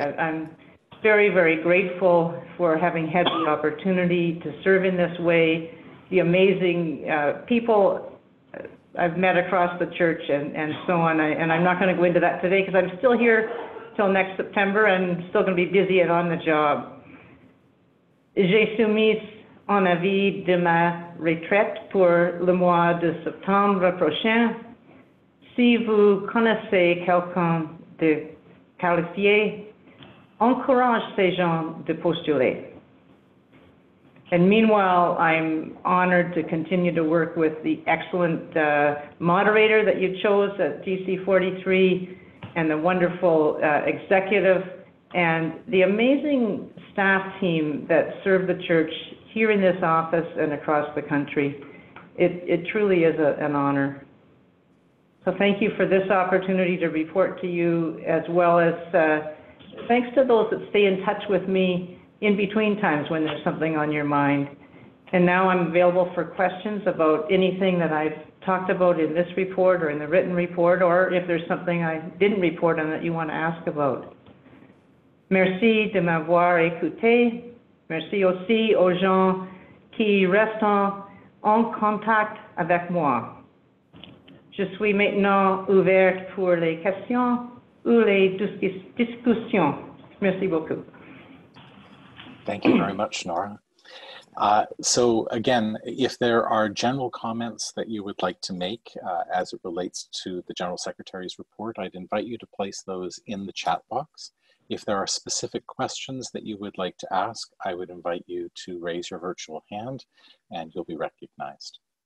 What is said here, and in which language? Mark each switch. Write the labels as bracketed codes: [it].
[en] I'm very, very grateful for having had the opportunity to serve in this way. The amazing people I've met across the church and so on. And I'm not going to go into that today because I'm still here till next September and still going to be busy and on the job. [fr] J'ai soumis un avis de ma retraite pour le mois de septembre prochain. Si vous connaissez quelqu'un de qualifié, encourage ces gens de postuler. [en] And meanwhile, I'm honored to continue to work with the excellent moderator that you chose at GC43 and the wonderful executive and the amazing staff team that serve the church here in this office and across the country. It truly is an honor. So thank you for this opportunity to report to you, as well as thanks to those that stay in touch with me in between times when there's something on your mind. And now I'm available for questions about anything that I've talked about in this report or in the written report, or if there's something I didn't report on that you want to ask about. [fr] Merci de m'avoir écouté. Merci aussi aux gens qui restent en contact avec moi. Je suis maintenant ouverte pour les questions ou les discussions. Merci beaucoup. [en] Thank you very much, Nora. So again, if there are general comments that you would like to make as it relates to the General Secretary's report, I'd invite you to place those in the chat box. If there are specific questions that you would like to ask, I would invite you to raise your virtual hand and you'll be recognized.